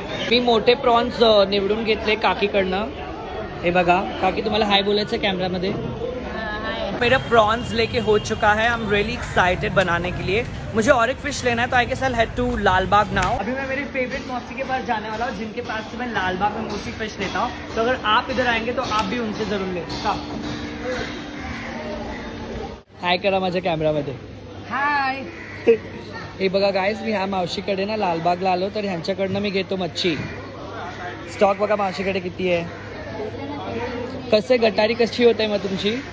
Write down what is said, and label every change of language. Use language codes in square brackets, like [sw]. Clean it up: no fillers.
[mr] मी मोटे prawns निवडून घेतले काकी कडनं। हे बघा काकी, तुम्हाला हाय बोलायचं कॅमेरा मध्ये। [hi] मेरा प्रॉन्स लेके हो चुका है, [en] I am really excited [hi] बनाने के लिए। मुझे और एक फिश लेना है, तो [en] I guess I had to Lalbagh now. [hi] अभी मैं मेरी फेवरेट मौसी के पास जाने वाला हूँ, जिनके पास से मैं लालबाग में मौसी फिश लेता हूँ। तो अगर आप इधर आएंगे तो आप भी उनसे जरूर ले। [mr] हाय करा माझ्या कॅमेरा मध्ये। हाय, हे बघा गाइस, मी ह्या मावशीकडे ना लालबागला आलो, तर ह्यांच्याकडनं मी घेतो मच्छी। स्टॉक बघा मावशीकडे किती आहे। कसे गटारी कशी होते मग तुमची?